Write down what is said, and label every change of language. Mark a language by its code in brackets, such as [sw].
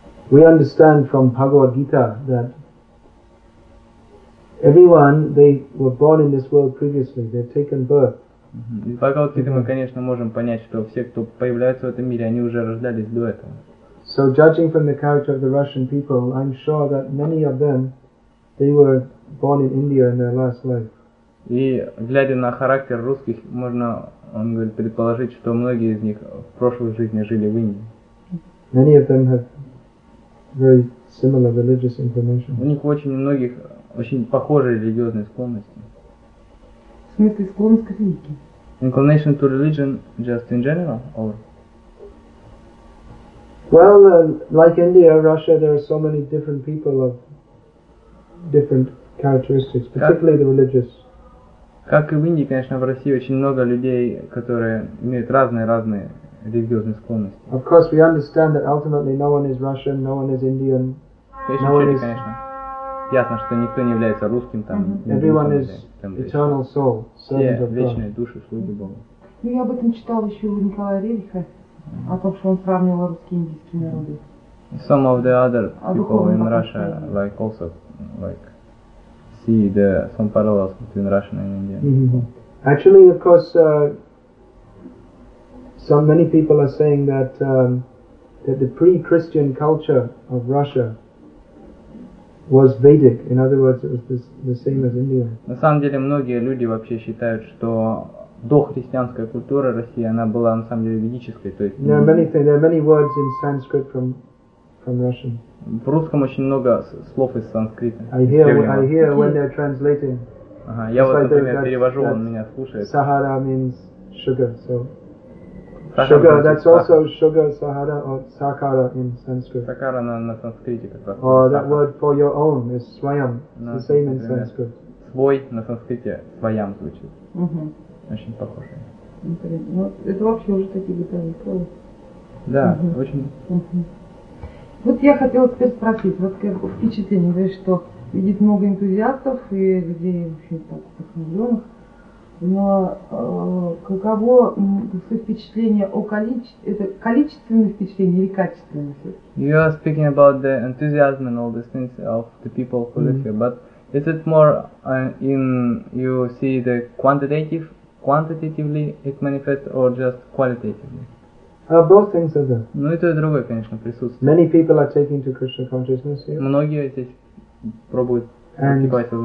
[en] We understand from Bhagavad Gita that everyone, they were born in this world previously, they've taken birth. Mm-hmm. [ru] Из Бхагавад Гиты мы, конечно, можем понять, что все, кто появляются в этом мире, они уже рождались до этого. [en] So judging from the character of the Russian people, I'm sure that many of them, they were born in India in their last life. [ru] И глядя на характер русских, можно, он говорит, предположить, что многие из них в прошлой жизни жили в Индии. [en] Many of them have very similar religious inclination. [ru] У них очень многих очень похожие религиозные склонности. В смысле склонность к религии? [en] Inclination to religion just in general, or? Well, like India, Russia, there are so many different people of different characteristics, particularly the religious. [ru] Как и в Индии, конечно, в России очень много людей, которые имеют разные религиозные склонности. [en] Of course, we understand that ultimately no one is Russian, no one is Indian. [ru] Конечно, ясно, что никто не является русским там. [en] Everyone is eternal soul, servant of God. [ru] Вечные души, слуги Бога. Ну, я об этом читал еще у Николая Рериха, о том, что он сравнивал русские и индийские народы. [en] Some of the other people in Russia like also like see the some parallels between Russian and Indian. Mm-hmm. Actually, of course, some many people are saying that that the pre-Christian culture of Russia was Vedic. In other words, it was the same as India. [ru] На самом деле, многие люди вообще считают, что дохристианская культура России она была на самом деле ведической, то есть. [en] There are many words in Sanskrit from Russian. [ru] В русском очень много слов из санскрита. [en] I hear when they're translating. [ru] Ага, я вот, например, перевожу, он меня слушает. [en] Sahara means sugar, so. Sugar, that's also sugar, sahara or sakara in Sanskrit. [ru] Сакара на санскрите как раз. [en] Oh, that word for your own is swayam. It's the same in Sanskrit. [ru] Свой на санскрите свайам звучит. Очень похоже. Ну, это вообще уже такие детали, правда? Да, очень. Вот я хотела теперь спросить, вот как впечатление, говоришь, что видит много энтузиастов и людей, в общем, так, вдохновленных, но каково свое впечатление о количестве, это количественное впечатление или качественное все-таки? [en] You are speaking about the enthusiasm and all these things of the people who live here, but is it more in, you see the quantitative, quantitatively it manifests or just qualitatively? Both things are there. [ru] Ну и то и другое, конечно, присутствует. [en] Many people are taking to Krishna consciousness here. [ru] Многие здесь пробуют вникать в